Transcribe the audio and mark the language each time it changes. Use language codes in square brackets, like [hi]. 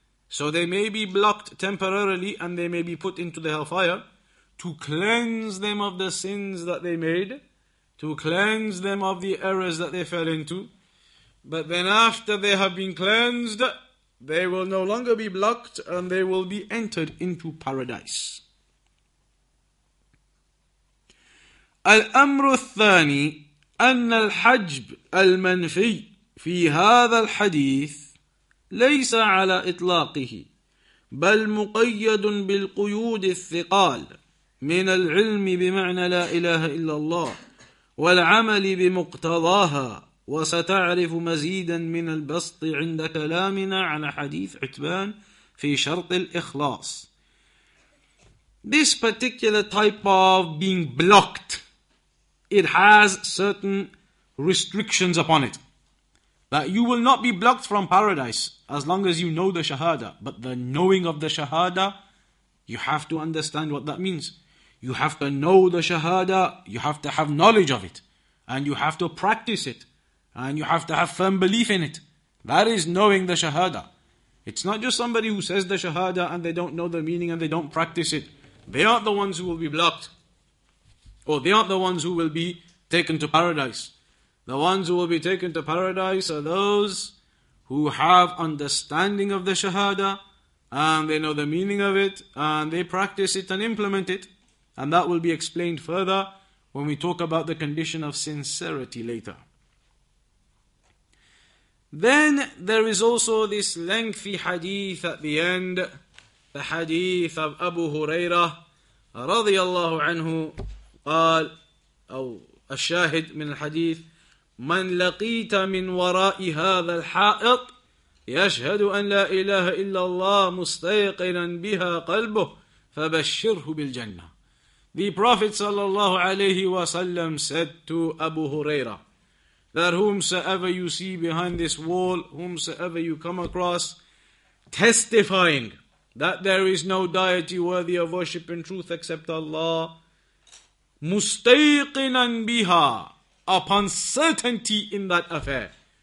[en] So they may be blocked temporarily and they may be put into the hellfire to cleanse them of the sins that they made, to cleanse them of the errors that they fell into. But then after they have been cleansed, they will no longer be blocked and they will be entered into paradise. [ar] الأمر الثاني أن الحجب المنفي في هذا الحديث ليس على إطلاقه بل مقيد بالقيود الثقال من العلم بمعنى لا إله إلا الله والعمل بمقتضاها وستعرف مزيدا من البسط عند كلامنا على حديث عتبان في شرط الإخلاص. [en] This particular type of being blocked, it has certain restrictions upon it. That you will not be blocked from paradise as long as you know the Shahada. But the knowing of the Shahada, you have to understand what that means. You have to know the Shahada, you have to have knowledge of it. And you have to practice it. And you have to have firm belief in it. That is knowing the Shahada. It's not just somebody who says the Shahada and they don't know the meaning and they don't practice it. They aren't the ones who will be blocked. Or they aren't the ones who will be taken to paradise. The ones who will be taken to paradise are those who have understanding of the Shahada, and they know the meaning of it, and they practice it and implement it. And that will be explained further when we talk about the condition of sincerity later. Then there is also this lengthy hadith at the end, the hadith of Abu Hurairah, radiallahu anhu, [ar] قال أو الشاهد من الحديث من لقيت من وراء هذا الحائط يشهد أن لا إله إلا الله مستيقنا بها قلبه فبشره بالجنة. [en] The Prophet صلى الله عليه وسلم said to Abu Huraira that whomsoever you see behind this wall, whomsoever you come across, testifying that there is no deity worthy of worship and truth except Allah, [ar] مُسْتَيْقِنًا بِهَا, [en] upon certainty in that affair.